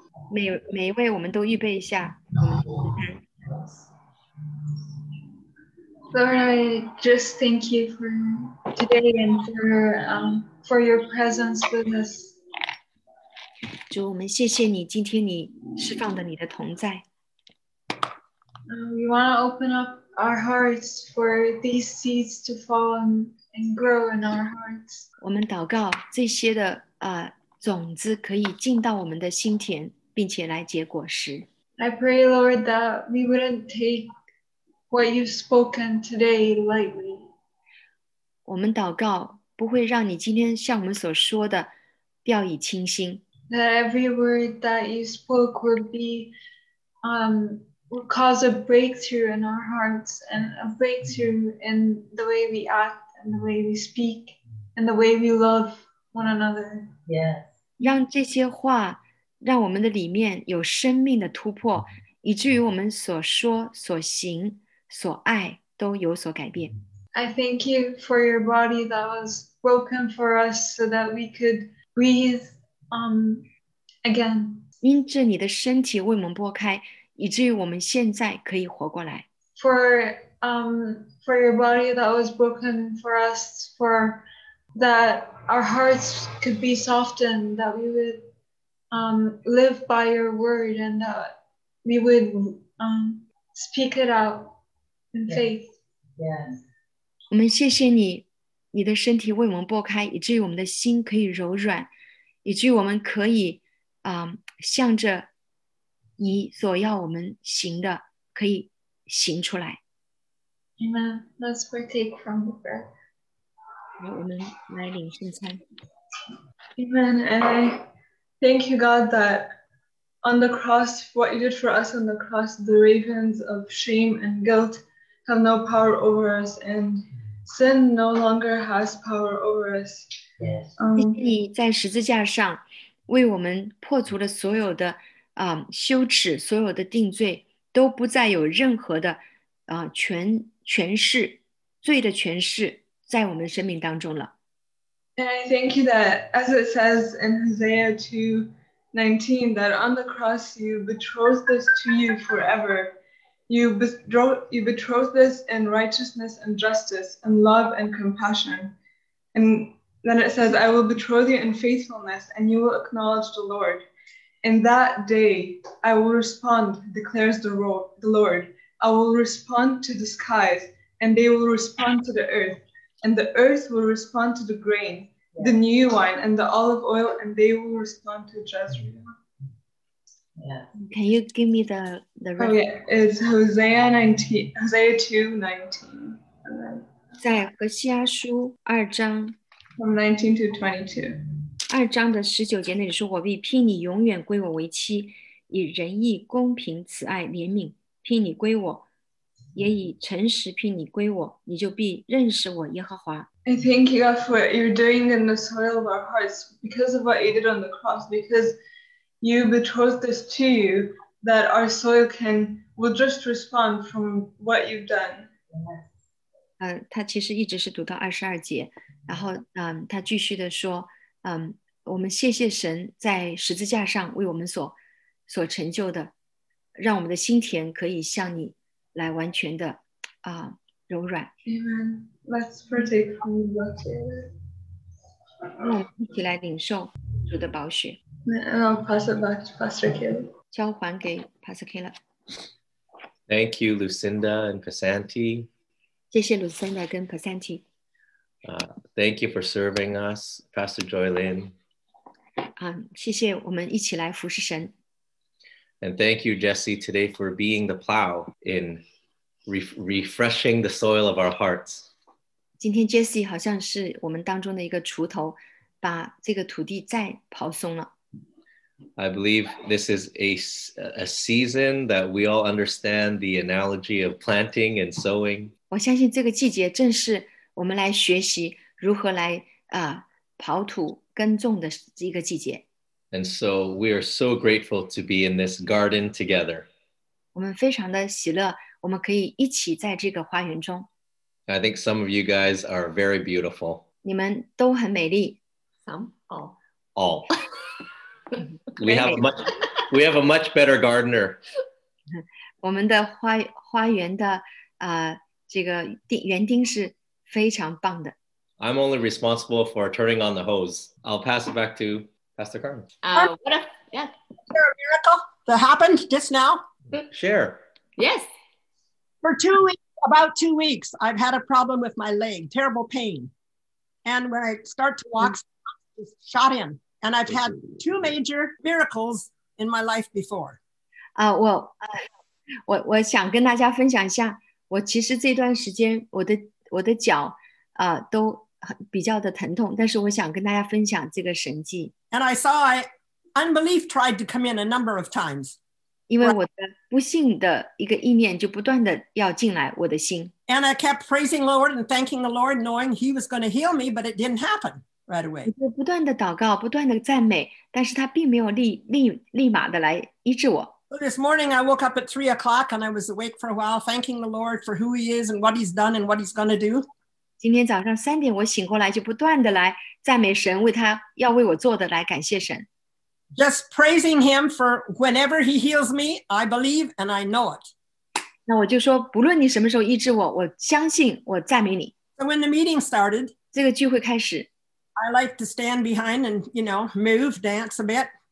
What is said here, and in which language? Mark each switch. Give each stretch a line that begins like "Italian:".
Chinese: 每一位我们都预备一下。
English: Lord, I just thank you for today and for your presence with us.
Chinese: 主，我们谢谢你，今天你释放的你的同在。
English: We want to open up our hearts for these seeds to fall and grow in our hearts.
Chinese: 我们祷告这些的种子可以进到我们的心田，并且来结果实。
English: I pray, Lord, that we wouldn't take what you've spoken today lightly.
Chinese: 我们祷告不会让你今天向我们所说的掉以轻心。
English: That every word that you spoke would be, would cause a breakthrough in our hearts and a breakthrough in the way we act and the way we speak and the way we love one another. Yes.
Chinese: 让这些话让我们的里面有生命的突破，以至于我们所说所行所爱都有所改变。
English: I thank you for your body that was broken for us so that we could breathe again.
Chinese: 因着你的身体为我们剥开，以至于我们现在可以活过来。
English: For your body that was broken for us, for that our hearts could be softened, that we would live by your word and that we would speak it out. Yes.
Chinese: 我们谢谢你，你的身体为我们剥开，以至于我们的心可以柔软，以至于我们可以向着你所要我们行的可以行出来。
English: Amen. Let's partake from the bread.
Chinese: 好，我们来领圣餐。
English: Amen. And I thank you, God, that on the cross, what you did for us on the cross, the ravens of shame and guilt. Have no power over us, and sin no longer has power over us. Yes.
Chinese: 你在十字架上为我们破除了所有的羞耻，所有的定罪都不再有任何的权势，罪的权势在我们生命当中了。
English: And I thank you that, as it says in Hosea 2:19, that on the cross you betrothed us to you forever. You betrothed this in righteousness and justice and love and compassion. And then it says, I will betroth you in faithfulness and you will acknowledge the Lord. In that day, I will respond, declares the Lord. I will respond to the skies and they will respond to the earth. And the earth will respond to the grain, the new wine and the olive oil, and they will respond to Jezreel. Yeah. Can you give me the record? Oh, yeah. It's Hosea 2:19.
Chinese: 在何西阿书二章
English: From 19 to 22.
Chinese: 二章的十九节那里说，我必聘你永远归我为妻，以仁义、公平、慈爱、怜悯聘你归我，也以诚实聘你归我，你就必认识我耶和华。
English: I thank you God for what you're doing in the soil of our hearts because of what you did on the cross, because you betrothed this to you, that our soil can will just respond from what you've done.
Chinese: 他其实一直是读到二十二节，然后他继续的说，我们谢谢神在十字架上为我们所成就的，让我们的心田可以向你来完全的柔软。
English: Amen. Let's partake from the blood.
Chinese: 我们一起来领受主的宝血。
English: And I'll pass it back to Pastor Caleb.
Chinese: 交还给 Pastor Caleb.
English: Thank you, Lucinda and Pasanti.
Chinese: 谢谢 Lucinda 跟 Pasanti.
English: Thank you for serving us, Pastor Joylin.
Chinese: 谢谢我们一起来服侍神。
English: And thank you, Jesse, today for being the plow in refreshing the soil of our hearts.
Chinese: 今天 Jesse 好像是我们当中的一个锄头，把这个土地再刨松了。
English: I believe this is a season that we all understand the analogy of planting and sowing.
Chinese: 我相信这个季节正是我们来学习如何来刨土耕种的一个季节。
English: And so we are so grateful to be in this garden together.
Chinese: 我们非常的喜乐，我们可以一起在这个花园中。
English: I think some of you guys are very beautiful.
Chinese: 你们都很美丽。
English: Some? All. All. We have a much better gardener.
Chinese: 我们的花园的这个园丁是非常棒的。
English: I'm only responsible for turning on the hose. I'll pass it back to Pastor Carmen. Is there a miracle that happened just now? Share. Yes. For about two weeks, I've had a problem with my leg, terrible pain. And when I start to walk, it's shot in. And I've had two major miracles in my life before.
Chinese: 我想跟大家分享一下，我其实这段时间我的脚都比较的疼痛，但是我想跟大家分享这个神迹。
English: And I saw unbelief tried to come in a number of times.
Chinese: 因为我的不幸的一个意念就不断的要进来我的心。
English: And I kept praising the Lord and thanking the Lord, knowing He was going to heal me, but it didn't happen. Right away.
Chinese: 我就不断的祷告，不断的赞美，但是他并没有立马的来医治我。
English: So this morning I woke up at 3 o'clock and I was awake for a while, thanking the Lord for who He is and what He's done and what He's going to do.
Chinese: 今天早上3点我醒过来，就不断的来赞美神，为他要为我做的来感谢神。
English: Just praising Him for whenever He heals me, I believe and I know it.
Chinese: 那我就说，不论你什么时候医治我，我相信，我赞美你。
English: So when the meeting started,
Chinese: 这个聚会开始。
English: I like to stand behind and, you know, move, dance a bit.